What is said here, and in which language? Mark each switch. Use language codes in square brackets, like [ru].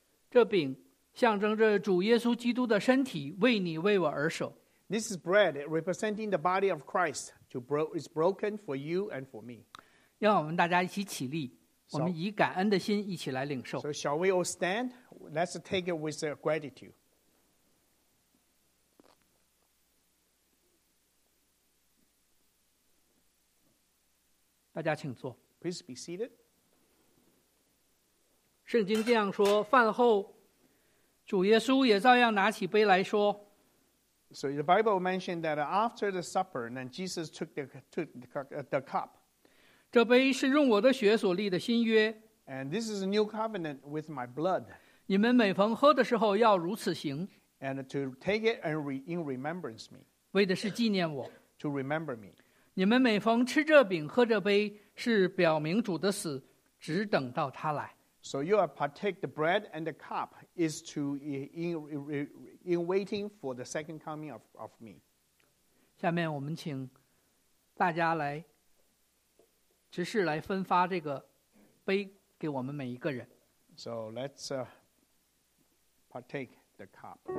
[zh] 这饼象征着主耶稣基督的身体，为你为我而舍。 [en] This is bread representing the body of Christ, is broken for you and for me. [zh] 让我们大家一起起立，我们以感恩的心一起来领受。 [en] So shall we all stand? Let's take it with gratitude. [zh] 大家请坐。 [en] Please be seated. [zh] 圣经这样说：饭后。主耶稣也照样拿起杯来说。 [en] So the Bible mentioned that after the supper, then Jesus took the cup. [zh] 这杯是用我的血所立的新约。 [en] And this is a new covenant with my blood. [zh] 你们每逢喝的时候要如此行。 [en] And to take it and in remembrance me. [zh] 为的是纪念我。 [en] To remember me. [zh] 你们每逢吃这饼喝这杯，是表明主的死，只等到他来。 [en] So you are partake the bread and the cup is to in waiting for the second coming of me. [zh] 下面我们请大家来执事来分发这个杯给我们每一个人。 [en] So let's partake the cup.